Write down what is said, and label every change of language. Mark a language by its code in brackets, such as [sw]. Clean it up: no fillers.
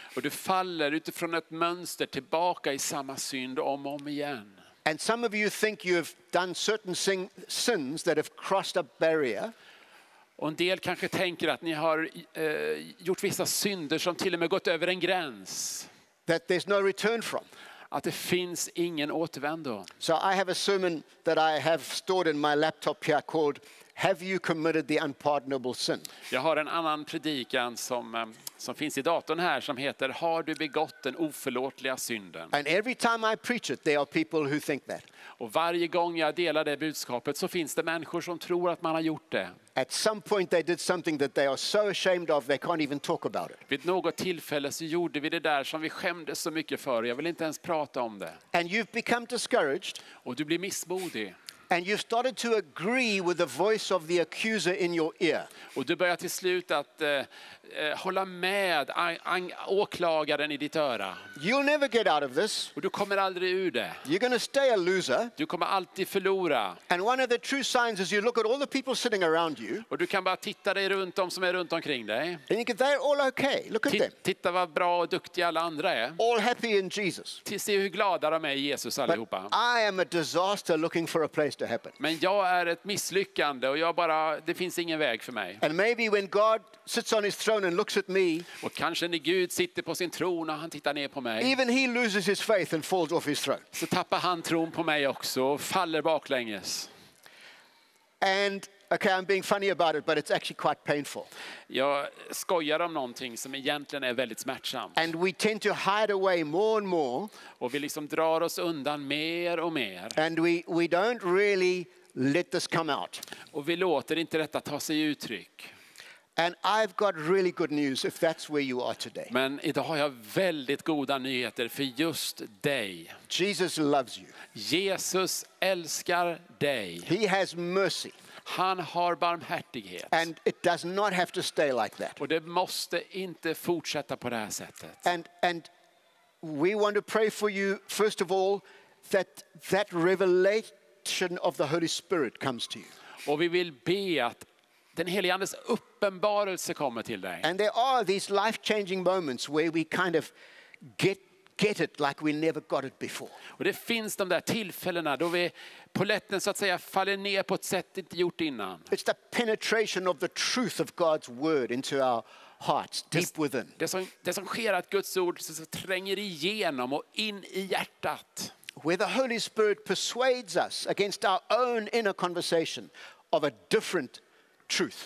[sv] Och du faller utifrån ett mönster tillbaka i samma synd om och om igen. [en] And some of you think you've done certain sins that have crossed a barrier. [sv] Och en del kanske tänker att ni har gjort vissa synder som till och med gått över en gräns. [en] That there's no return from. [sv] Att det finns ingen återvändo. [en] So I have a sermon that I have stored in my laptop here called Have you committed the unpardonable sin? [sv] Jag har en annan predikan som finns i datorn här som heter Har du begått den oförlåtliga synden? [en] And every time I preach it there are people who think that. [sv] Och varje gång jag delar det budskapet så finns det människor som tror att man har gjort det. [en] At some point they did something that they are so ashamed of they can't even talk about it. [sv] Vid något tillfälle så gjorde vi det där som vi skämdes så mycket för. Jag vill inte ens prata om det. [en] And you've become discouraged. [sv] Och du blir missmodig. [en] And you started to agree with the voice of the accuser in your ear. [sv] Och du börjar till slut att hålla med åklagaren i ditt öra. [en] You'll never get out of this. [sv] Och du kommer aldrig ur det. [en] You're going to stay a loser. [sv] Du kommer alltid förlora. [en] And one of the true signs is you look at all the people sitting around you. [sv] Och du kan bara titta dig runt om som är runt omkring dig. [en] And you think they're all okay. Look at them. [sv] Titta vad bra och duktiga alla andra är. [en] All happy in Jesus. [sv] Titta hur glada de är i Jesus allihopa. [en] But I am a disaster looking for a place. [sv] Men jag är ett misslyckande och jag bara det finns ingen väg för mig. [en] And maybe when God sits on his throne and looks at me. [sv] Och kanske när Gud sitter på sin tron och han tittar ner på mig. [en] Even he loses his faith and falls off his throne. [sv] Så tappar han tron på mig också och faller baklänges. [en] And okay, I'm being funny about it, but it's actually quite painful. [sv] Jag skojar om någonting som egentligen är väldigt smärtsamt. [en] And we tend to hide away more and more. [sv] Och vi liksom drar oss undan mer och mer. [en] And we don't really let this come out. [sv] Och vi låter inte detta ta sig uttryck. [en] And I've got really good news if that's where you are today. [sv] Men idag har jag väldigt goda nyheter för just dig. [en] Jesus loves you. [sv] Jesus älskar dig. [en] He has mercy. [sv] Han har barmhärtighet. [en] And it does not have to stay like that. [sv] Och det måste inte fortsätta på det här sättet. [en] And we want to pray for you first of all that revelation of the Holy Spirit comes to you. [sv] Och vi vill be att den helige andes uppenbarelse kommer till dig. [en] And there are these life-changing moments where we kind of get it like we never got it before. [sv] Och det finns de där tillfällena då vi på lätten så att säga faller ner på ett sätt inte gjort innan. [en] It's the penetration of the truth of God's word into our hearts, deep within. [sv] Det som sker att Guds ord så tränger igenom och in i hjärtat. [en] Where the Holy Spirit persuades us against our own inner conversation of a different truth.